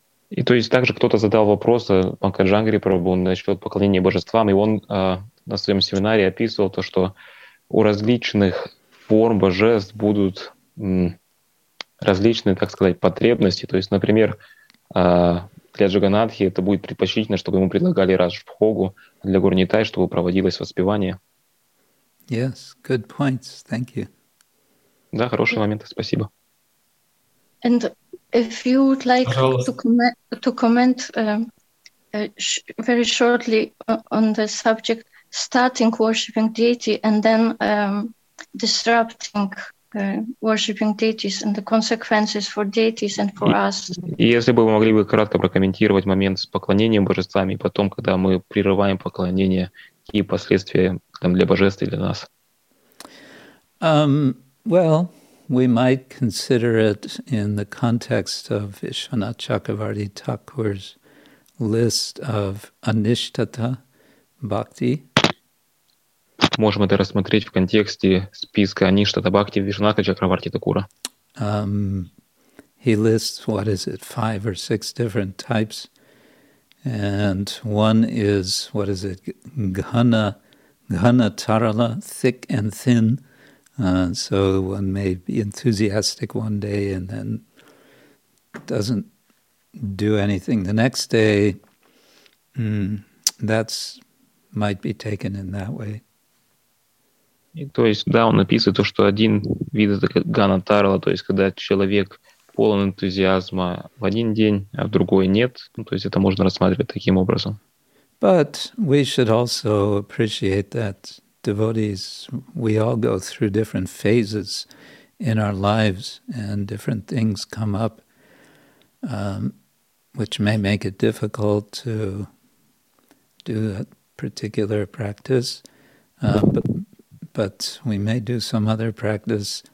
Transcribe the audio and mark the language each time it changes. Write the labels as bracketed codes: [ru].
[ru] И то есть также кто-то задал вопрос Панкаджангри Прабху насчет поклонения божествам, и он на своем семинаре описывал то, что у различных форм божеств будут различные, так сказать, потребности. То есть, например, для Джаганатхи это будет предпочтительно, чтобы ему предлагали Раджбхогу, а для Гурнитай, чтобы проводилось воспевание. [en] Yes, good points, thank you. [ru] Да, хорошие моменты, спасибо. [en] And if you would like to comment very shortly on the subject, starting worshipping deity and then disrupting worshipping deities and the consequences for deities and for us. [ru] Если бы вы могли бы кратко прокомментировать момент с поклонением божествами, потом, когда мы прерываем поклонение, какие последствия там для божеств и для нас? [en] Well, we might consider it in the context of Vishwanath Chakravarti Thakur's list of anishtata bhakti. [ru] Можем это рассмотреть в контексте списка anishtata bhakti Вишванатха Чакраварти Такура. [en] He lists, what is it, 5 or 6 different types. And one is, what is it, ghana tarala, thick and thin. So one may be enthusiastic one day and then doesn't do anything the next day. That's might be taken in that way. [ru] И, то есть, да, он описывает то, что один вид это как гана тарала, то есть когда человек полон энтузиазма в один день, а в другой нет. Ну, то есть это можно рассматривать таким образом. [en] But we should also appreciate that devotees, we all go through different phases in our lives and different things come up which may make it difficult to do a particular practice, but we may do some other practice.